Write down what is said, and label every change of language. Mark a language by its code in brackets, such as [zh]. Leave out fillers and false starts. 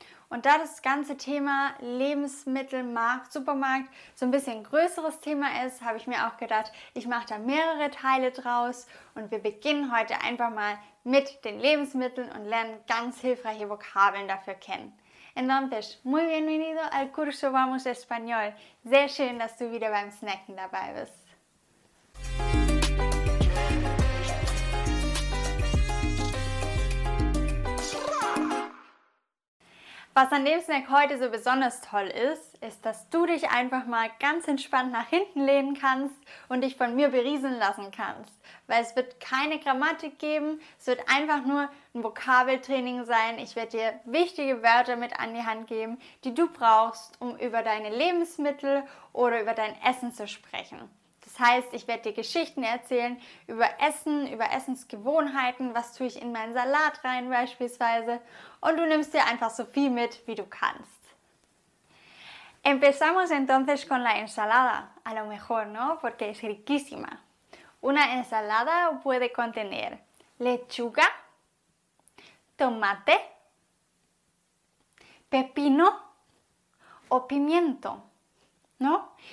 [de] Und da das ganze Thema Lebensmittel, Markt, Supermarkt so ein bisschen größeres Thema ist, habe ich mir auch gedacht, ich mache da mehrere Teile draus und wir beginnen heute einfach mal mit den Lebensmitteln und lernen ganz hilfreiche Vokabeln dafür kennen. [es] Entonces, muy bienvenido al curso Vamos Español. [de] Sehr schön, dass du wieder beim Snacken dabei bist. Was an dem Snack heute so besonders toll ist, ist, dass du dich einfach mal ganz entspannt nach hinten lehnen kannst und dich von mir berieseln lassen kannst. Weil es wird keine Grammatik geben, es wird einfach nur ein Vokabeltraining sein. Ich werde dir wichtige Wörter mit an die Hand geben, die du brauchst, um über deine Lebensmittel oder über dein Essen zu sprechen. Das heißt, ich werde dir Geschichten erzählen über Essen, über Essensgewohnheiten, was tue ich in meinen Salat rein beispielsweise. Und du nimmst dir einfach so viel mit, wie du kannst. [es] Empezamos entonces con la ensalada, a lo mejor, ¿no? Porque es riquísima. Una ensalada puede contener lechuga, tomate, pepino o pimiento, ¿no?